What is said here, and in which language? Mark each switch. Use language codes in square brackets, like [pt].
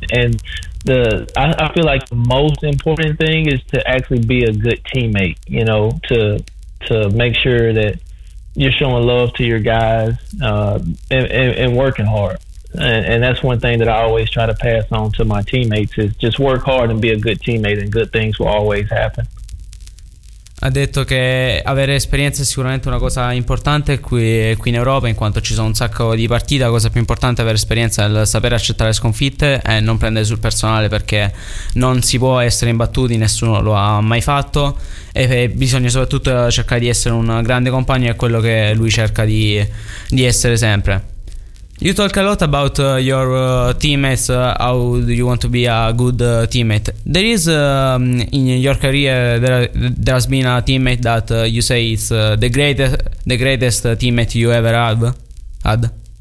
[en] And I feel like the most important thing is to actually be a good teammate, you know, to make sure that you're showing love to your guys, and working hard. And that's one thing that I always try to pass on to my teammates, is just work hard and be a good teammate, and good things will always happen. [it] Ha detto che avere esperienza è sicuramente una cosa importante qui in Europa, in quanto ci sono un sacco di partite. La cosa più importante è avere esperienza, è sapere accettare sconfitte e non prendere sul personale, perché non si può essere imbattuti, nessuno lo ha mai fatto, e bisogna soprattutto cercare di essere un grande compagno, è quello che lui cerca di essere sempre. [en] You talk a lot about your teammates, how you want to be a good teammate. There is, in your career, there has been a teammate that you say is the greatest teammate you ever have had.